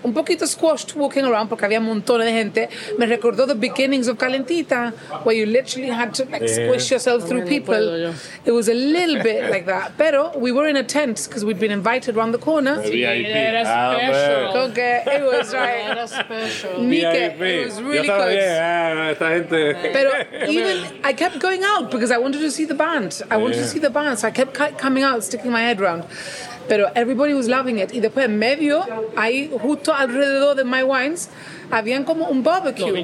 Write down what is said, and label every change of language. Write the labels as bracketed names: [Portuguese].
[Spanish] Un poquito [English] squashed walking around [Spanish] porque había montones de gente. Me recordó [English] the beginnings of Calentita, where you literally had to like, squish yourself through people. It was a little bit like that. Pero we were in a tent because we'd been invited around the corner. VIP. [Spanish] Era special. [English] Okay, it was right. [Spanish] Era special. [English] Mique, it was really good. [Spanish] Yo estaba bien. Esta gente. [English] Pero even, I kept going out because I wanted to see the band. I wanted to see the band. So I kept coming out, sticking my head around. [Spanish] Pero [English] everybody was loving it. [Spanish] Y después, medio, ahí justo alrededor de [English] my wines, [Spanish] habían como un barbecue.